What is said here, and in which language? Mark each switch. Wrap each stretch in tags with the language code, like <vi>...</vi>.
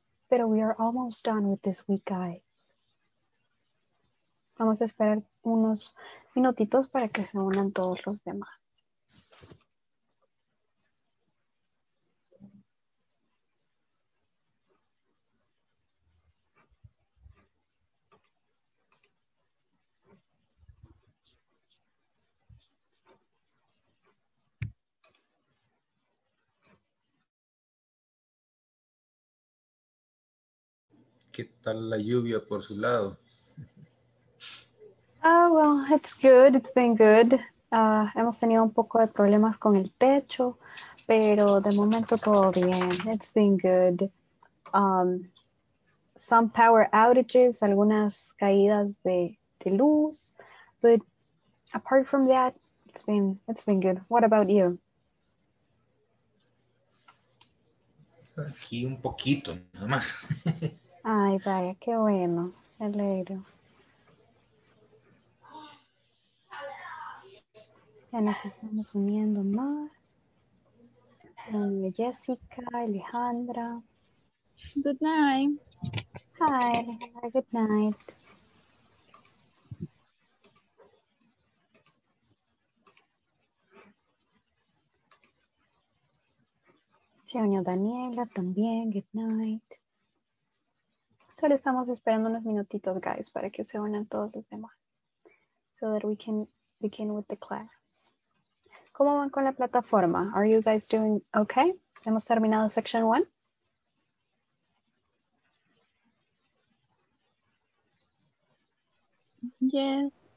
<es>Pero</es> <en>we are almost done with this week, guys.</en> <es>Vamos a esperar unos minutitos para que se unan todos los demás. ¿Qué tal la lluvia por su lado?</es> <en>Oh, well, it's good. It's been good.</en> <es>Hemos tenido un poco de problemas con el techo, pero de momento todo bien.</es> <en>It's been good. Some power outages,</en> <es>algunas caídas de luz,</es> <en>but apart from that, it's been good. What about you?</en> <es>Aquí un poquito, nada más. Ay, vaya, qué bueno. Me alegro. Ya nos estamos uniendo más. Jessica, Alejandra.</es> <en>Good night. Hi, Alejandra, good night.</en> <es>Se unió Daniela también,</es> <en>good night.</en> <es>Solo estamos esperando unos minutitos,</es> <en>guys,</en> <es>para que se unan todos los demás.</es> <en>So that we can begin with the class.</en> <es>¿Cómo van con la plataforma?</es> <en>Are you guys doing okay?</en> <es>¿Hemos terminado</es> <en>section one? Yes.</en>